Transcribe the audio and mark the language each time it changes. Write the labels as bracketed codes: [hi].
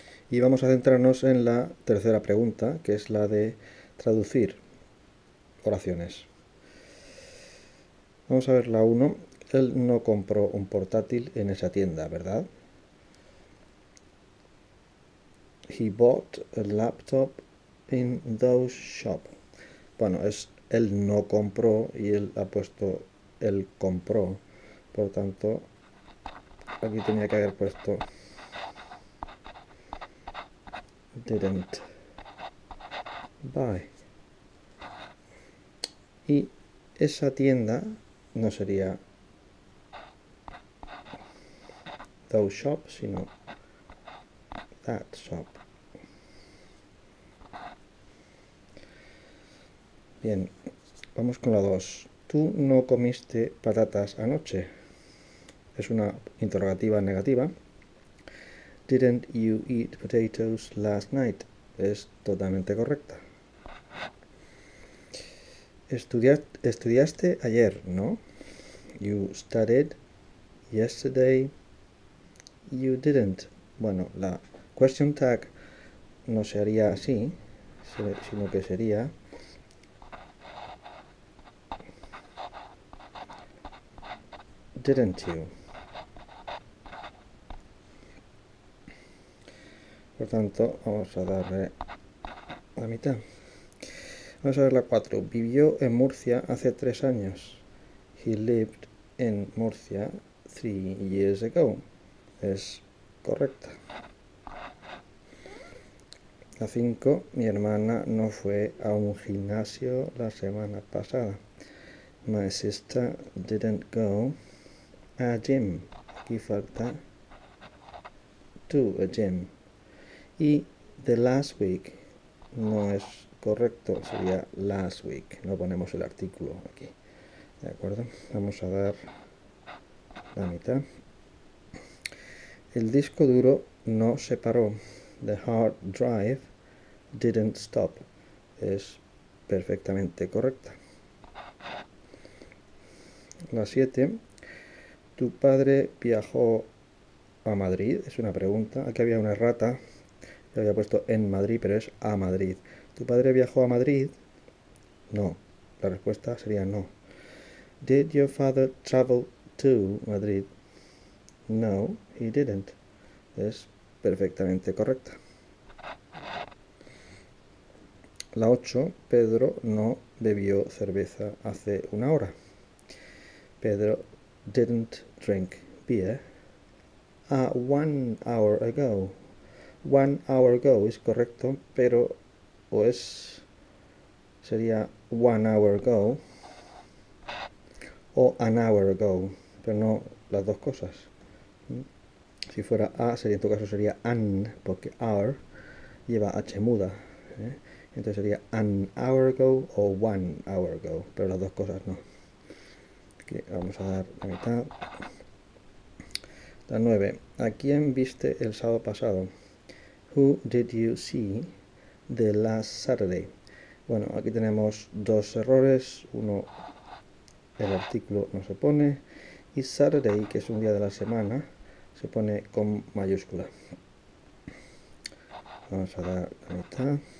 [es] Y vamos a centrarnos en la tercera pregunta, que es la de traducir oraciones. Vamos a ver la 1. Él no compró un portátil en esa tienda, ¿verdad? [en] He bought a laptop in those shop. [es] Bueno, es él no compró y él ha puesto él compró. Por lo tanto, aquí tenía que haber puesto [en] didn't buy. [es] Y esa tienda no sería [en] those shop, [es] sino [en] that shop. [es] Bien, vamos con la 2. ¿Tú no comiste patatas anoche? Es una interrogativa negativa. [en] Didn't you eat potatoes last night? [es] Es totalmente correcta. Estudiaste ayer, ¿no? [en] You studied yesterday. You didn't. [es] Bueno, la question tag no se haría así, sino que sería [en] didn't you? [es] Por tanto, vamos a darle la mitad. Vamos a ver la 4. Vivió en Murcia hace 3 años. [en] He lived in Murcia 3 years ago. [es] Es correcta. La 5. Mi hermana no fue a un gimnasio la semana pasada. [en] My sister didn't go a gym. [es] Aquí falta [en] to a gym. [es] Y [en] the last week [es] no es correcto, sería [en] last week. [es] No ponemos el artículo aquí. ¿De acuerdo? Vamos a dar la mitad. El disco duro no se paró. [en] The hard drive didn't stop. [es] Es perfectamente correcta. La 7. ¿Tu padre viajó a Madrid? Es una pregunta. Aquí había una errata. Yo había puesto en Madrid, pero es a Madrid. ¿Tu padre viajó a Madrid? No. La respuesta sería no. [en] ¿Did your father travel to Madrid? No, he didn't. [es] Es perfectamente correcta. La 8. Pedro no bebió cerveza hace una hora. [en] Pedro didn't drink beer one hour ago. One hour ago [es] es correcto, pero sería one hour ago o [en] an hour ago, [es] pero no las dos cosas. Si fuera a, sería en tu caso sería an, porque hour lleva H muda, ¿eh? Entonces sería [en] an hour ago [es] o [en] one hour ago, [es] pero las dos cosas no. Aquí vamos a dar la mitad. La 9. ¿A quién viste el sábado pasado? [en] Who did you see the last Saturday? [es] Bueno, aquí tenemos dos errores. Uno, el artículo no se pone. Y Saturday, que es un día de la semana, se pone con mayúscula. Vamos a dar la mitad.